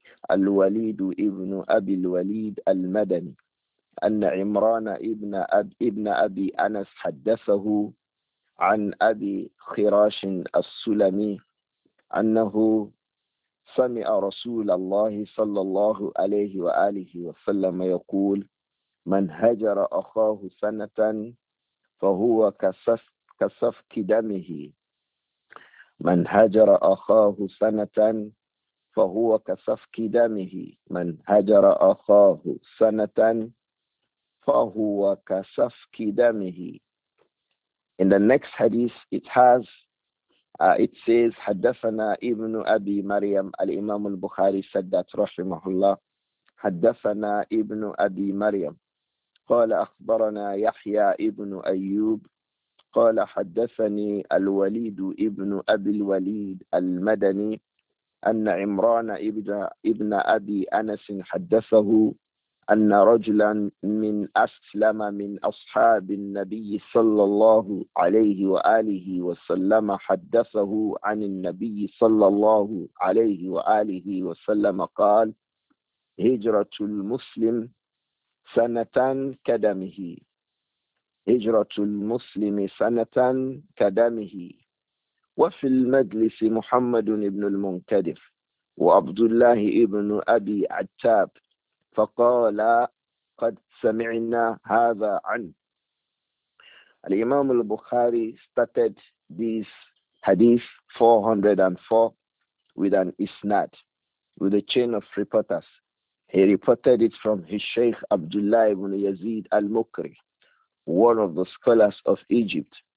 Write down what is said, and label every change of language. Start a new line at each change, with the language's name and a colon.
Arabic: الوليد ابن أبي الوليد المدني أن عمران ابن أبي أنس حدثه عن أبي خراش السلمي أنه سمع رسول الله صلى الله عليه وآله وسلم يقول من هجر أخاه سنة فهو كسفك دمه من هجر أخاه سنة فهو كسفك دمه من هجر أخاه سنة فهو كسفك دمه.
English: In the next hadith it has it says
Arabic: حدثنا ابن أبي مريم. الإمام البخاري
English: said that
Arabic: رحمه الله حدثنا ابن أبي مريم قال أخبرنا يحيى ابن أيوب قال حدثني الوليد ابن أبي الوليد المدني أن عمران ابن أبي أنس حدثه أن رجلا من أسلم من أصحاب النبي صلى الله عليه وآله وسلم حدثه عن النبي صلى الله عليه وآله وسلم قال هجرة المسلم سنة كدمه هجرة المسلم سنة كدمه وفي المجلس محمد بن المنكدر وعبد الله ابن أبي عتاب فقال قد سمعنا هذا عنه.
English: الإمام البخاري started this hadith 404 with an isnad, with a chain of reporters. He reported it from his Sheikh Abdullah ibn Yazid al-Mukri, one of the scholars of Egypt.